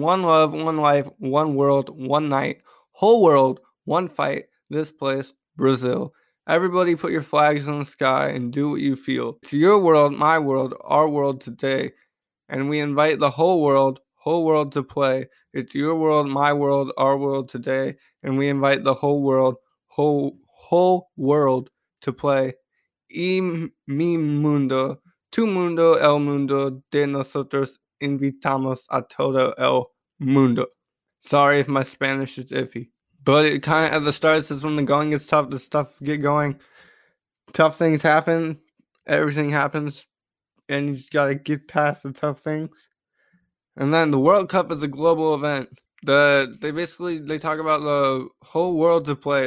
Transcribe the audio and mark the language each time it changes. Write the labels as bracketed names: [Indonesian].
[English] One love, one life, one world, one night. Whole world, one fight, this place, Brazil. Everybody put your flags in the sky and do what you feel. To your world, my world, our world today. And we invite the whole world to play. It's your world, my world, our world today. And we invite the whole world to play. [Spanish] Y mi mundo, tu mundo, el mundo de nosotros, invitamos a todo el mundo. [English] Sorry if my Spanish is iffy. But it kind of, at the start, it says, when the going gets tough, the stuff get going. Tough things happen, everything happens, and you just gotta get past the tough things. And then the World Cup is a global event. They talk about the whole world to play.